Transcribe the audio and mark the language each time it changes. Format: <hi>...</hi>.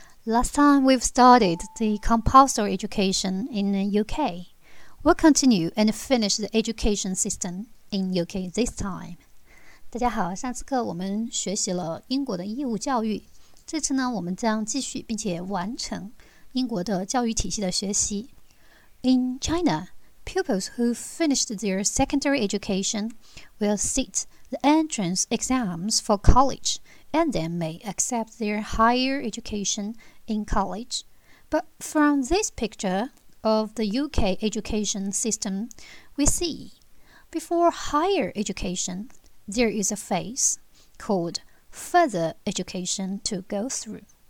<en>Last time we've started the compulsory education in the UK. We'll continue and finish the education system in UK this time.</en> <zh>大家好，上次课我们学习了英国的义务教育，这次呢我们将继续并且完成英国的教育体系的学习。</zh> <en>In China, pupils who finished their secondary education will sit the entrance exams for college. And they may accept their higher education in college. But from this picture of the UK education system, we see, before higher education, there is a phase called further education to go through.</en>